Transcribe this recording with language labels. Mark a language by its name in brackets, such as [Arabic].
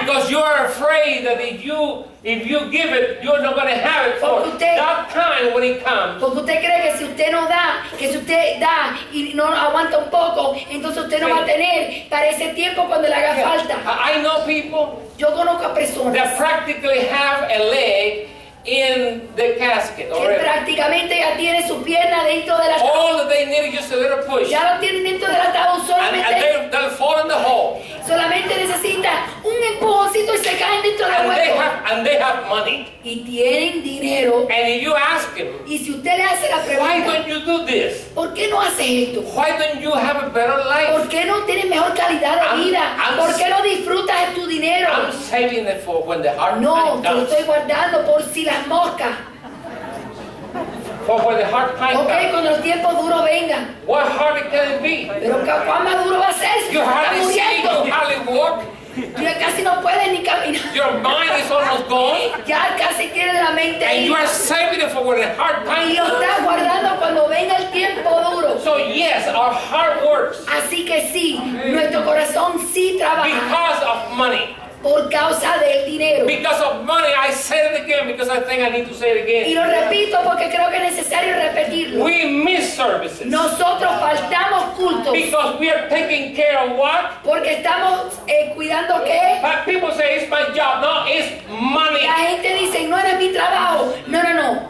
[English] because you are afraid that if you give it, you're not going to have it for that time when it comes. [Spanish] Porque usted cree que si usted no da, que si usted da y no aguanta un poco, entonces usted no va a tener para ese tiempo cuando le haga falta. [English] I know people. [Spanish] Yo conozco a personas [English] that practically have a leg in the casket already. [Spanish] Que prácticamente ya tiene su pierna dentro de la tabla. [English] All that they need is just a little push. [Spanish] Ya lo tienen dentro de la tabla solamente. [English] And they'll fall in the hole. [Spanish] Solamente necesita un empujoncito y se caen dentro del hueco. [English] And they have money. [Spanish] Y tienen dinero. [English] And if you ask them. [Spanish] Y si usted le hace la pregunta. [English] Why don't you do this? [Spanish] ¿Por qué no hace esto? [English] Why don't you have a better life? [Spanish] ¿Por qué no tienes mejor calidad de vida? ¿Por qué no disfrutas de tu dinero? [English] I'm saving it for when the heart [Spanish] no, [English] pine comes. [Spanish] No, lo estoy guardando por si las moscas. [English] For when the heart pine comes. [Spanish] Okay, cuando el tiempo duro venga. [English] What heart can it be? [Spanish] Pero ¿cuán más duro va a ser? [English] Your heart is sick. You hardly walk. [Spanish] Ya casi no puede ni caminar. [English] Your mind is almost gone. [Spanish] Ya casi tiene la mente. [English] And you are saving it for when the hard time. [Spanish] Y lo está guardando cuando venga el tiempo duro. [English] So yes, our heart works. [Spanish] Así que sí, nuestro corazón sí trabaja. [English] Because of money. [Spanish] Por causa del dinero. [English] Because of money, I say it again because I think I need to say it again. [Spanish] Y lo repito porque creo que es necesario repetirlo. [English] We miss services. [Spanish] Nosotros faltamos cultos. [English] Because we are taking care of what? [Spanish] Porque estamos cuidando qué? [English] But people say it's my job. No, it's money. [Spanish] La gente dice no era mi trabajo. No, no, no.